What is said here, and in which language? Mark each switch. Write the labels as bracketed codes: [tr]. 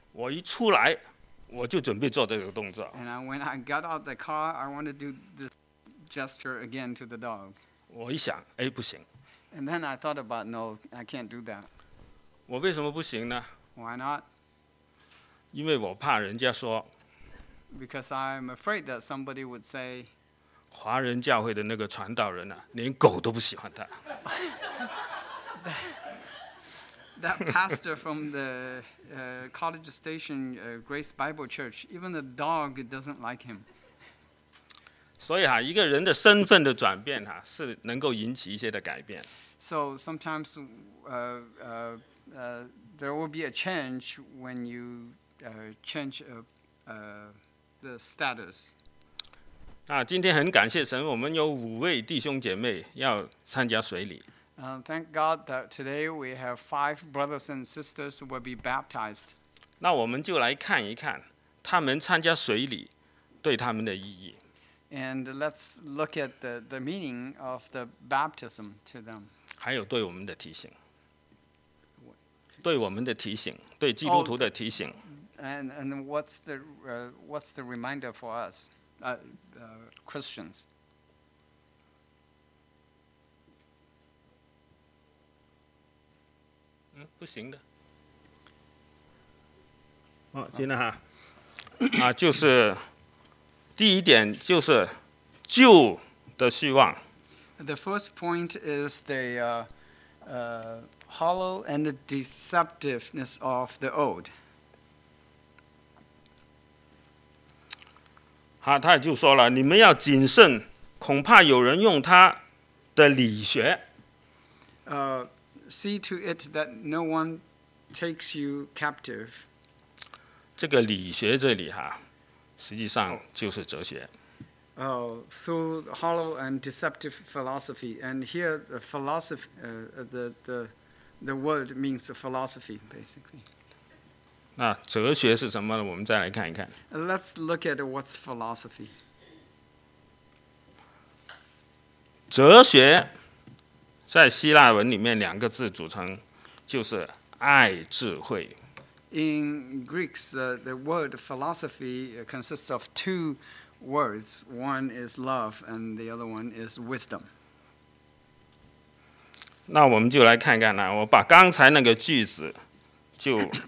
[zh] 我一出来我就准备做这个动作。 [en] And when I got out the car, I want to do this gesture again to the dog. [zh] 我一想，哎，不行。 [en] And then I thought about, no, I can't do that. [zh] 我为什么不行呢？ [en] Why not? [zh] 因为我怕人家说 [en] ，Because I'm afraid that somebody would say， [zh] 华人教会的那个传道人呢、啊，连狗都不喜欢他。 [en] that pastor from the College Station Grace Bible Church, even the dog doesn't like him. [zh] 所以哈、啊，一个人的身份的转变哈、啊，是能够引起一些的改变。 [en] So sometimes, there will be a change when you. The status. [zh] 那今天很感谢神，我们有五位弟兄姐妹要参加水礼。 [en] Thank God that today we have five brothers and sisters who will be baptized. [zh] 那我们就来看一看他们参加水礼对他们的意义。 [en] And let's look at the meaning of the baptism to them. [zh] 还有对我们的提醒，对我们的提醒，对基督徒的提醒。 [en] And what's the reminder for us, Christians? [zh] 不行的。哦，行了哈。啊，就是第一点就是旧的虚妄。 [en] The first point is the hollow and the deceptiveness of the old. [zh] 好，他也就说了，你们要谨慎，恐怕有人用他的理学。 [en] See to it that no one takes you captive. [zh] 这个理学这里哈，实际上就是哲学。 [en] Through hollow and deceptive philosophy, and here the philosophy, the word means philosophy, basically. [zh] 那哲学是什么呢？我们再来看一看。 [en] Let's look at what's philosophy. [zh] 哲学在希腊文里面两个字组成，就是爱智慧。 [en] In Greek, the word philosophy consists of two words. One is love, and the other one is wisdom. [zh] 那我们就来看看呢。我把刚才那个句子就。